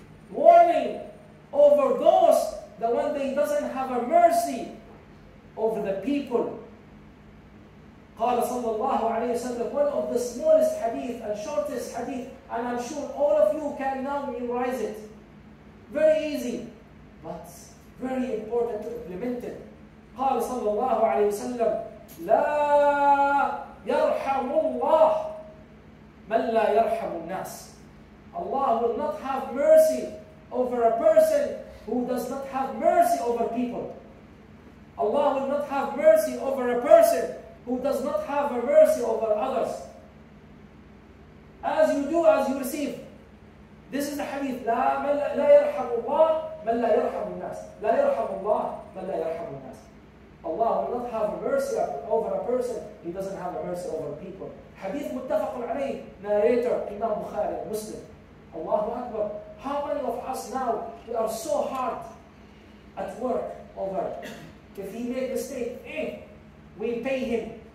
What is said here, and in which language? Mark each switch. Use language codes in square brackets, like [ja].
[en] Warning over those, the one that doesn't have a mercy over the people. [ar] قال صلى الله عليه وسلم, [en] one of the smallest hadith and shortest hadith, and I'm sure all of you can now memorize it. Very easy, but very important to implement it. [ar] قال صلى الله عليه وسلم, لا يرحم الله من لا يرحم الناس. [en] Allah will not have mercy over a person who does not have mercy over people. Allah will not have mercy over a person who does not have a mercy over others. As you do, as you receive. This is the hadith. [ar] لا يرحم الله من لا يرحم الناس. لا يرحم الله من لا يرحم الناس. [en] Allah will not have mercy over a person. He doesn't have a mercy over people. Hadith [ar] متفق عليه. [en] Narrator, Imam Bukhari, Muslim. Allahu Akbar. How many of us now, we are so hard at work over, if he make mistake, we pay him.